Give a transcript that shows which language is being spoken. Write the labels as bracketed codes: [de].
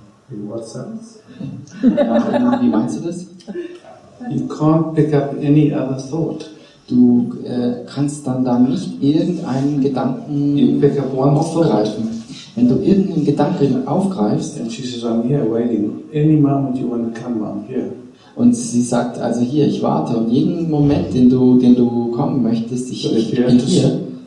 [en] In what sense? [de] Wie meinst du das? [en] You can't pick up any other thought. [de] Du kannst dann da nicht irgendeinen Gedanken aufgreifen. Wenn du irgendeinen Gedanken aufgreifst, [en] and she says, I'm here waiting. Any moment you want to come, I'm here. [de] Und sie sagt, also hier, ich warte. Und jeden Moment, den du kommen möchtest, ich bin hier.